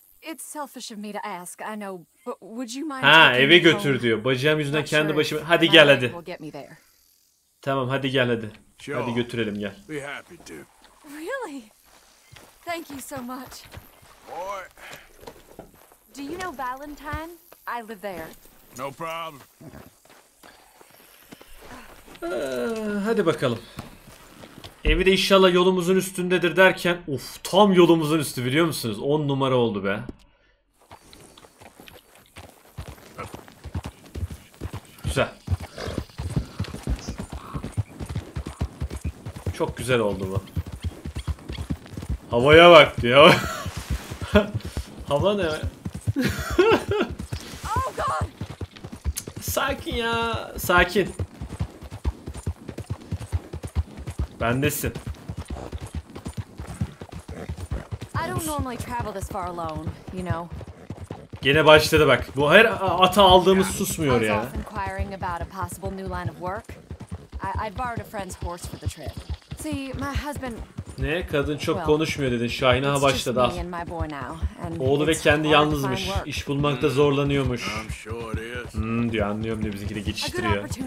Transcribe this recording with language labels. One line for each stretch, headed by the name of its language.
English: It's selfish of me to ask, I know, but would you mind?
Turkish: Ha, eve götür diyor. Bacağım yüzünden kendi başıma. Hadi gel hadi. Tamam, hadi gel hadi. Hadi götürelim gel.
English: Really? Thank you so much. Boy. Do you know Valentine? I live there. No problem.
Turkish: Hadi bakalım. Evi de inşallah yolumuzun üstündedir derken, uf, tam yolumuzun üstü biliyor musunuz? 10 numara oldu be. Güzel. Çok güzel oldu bu. Havaya bak diyor. Hava ne? Sakin ya, sakin. Bendesin.
English: I don't normally travel this far alone, you know.
Turkish: Gene başladı bak. Bu her ata aldığımız susmuyor ya.
English: I'm inquiring about a possible new line of work. I borrowed a friend's horse for the trip. See, my husband. Ne?
Turkish: Kadın çok konuşmuyor dedin. Şahin'e ha başladı. Oğlu ve kendi yalnızmış. İş bulmakta zorlanıyormuş. Hmm diyor, anlıyorum diyor, bizimkini geçiştiriyor.